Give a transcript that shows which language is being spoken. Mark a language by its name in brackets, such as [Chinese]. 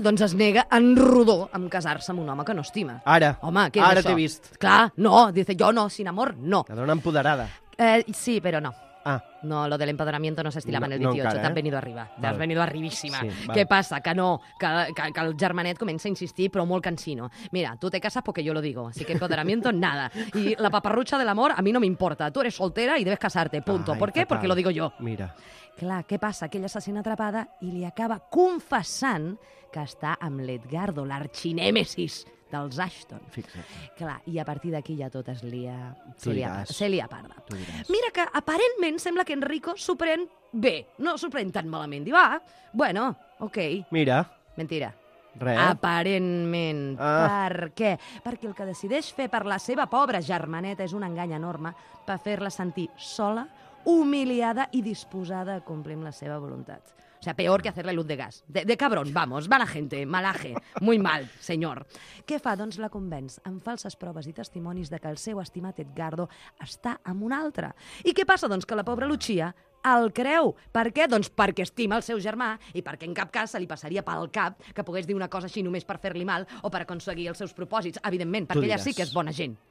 [Catalan] Doncs es nega en rodó a casar-se amb un home que no estima. Ara. Home, què és això? Ara t'he vist. Clar, no. Dice, jo no, sin amor, no. La dona empoderada. Sí, però no. Ah. [Spanish] No, lo del empoderamiento no s'estilava en el 18, [Catalan] no, encara, [Spanish] t'has venido arriba, vale. T'has venido arribíssima. Sí, [Catalan] què passa? Que no, que el germanet comença a insistir, però molt cansino. [Spanish] Mira, tu te casas porque yo lo digo, así que empoderamiento nada. Y la paparrucha del amor a mí no me importa, tú eres soltera y debes casarte, punto. Ai, ¿por qué? Fatal. Porque lo digo yo. Mira. [Catalan] Clar, què passa? Que ella se sent atrapada i li acaba confessant que està amb l'Edgardo, l'arxinèmesis dels Ashton. Fixa't. Clar, i a partir d'aquí ja tot es lia... Se li aparta. Mira que aparentment sembla que Enrico s'ho pren bé. No s'ho pren tan malament. Diu, ah, bueno, ok. Mira. Mentira. Res. Aparentment. Ah. Per què? Perquè el que decideix fer per la seva pobra germaneta és un engany enorme per fer-la sentir sola, humiliada i disposada a complir amb la seva voluntat. [Spanish] O sea, peor que hacerle luz de gas. De cabrón, vamos, mala gente, malaje, muy mal, señor. [Catalan] Què fa? Doncs la convenç amb falses proves i testimonis de que el seu estimat Edgardo està amb un altre. I què passa? Doncs que la pobra Lucia el creu. Per què? Doncs perquè estima el seu germà i perquè en cap cas se li passaria pel cap que pogués dir una cosa així només per fer-li mal o per aconseguir els seus propòsits, evidentment, perquè ella sí que és bona gent.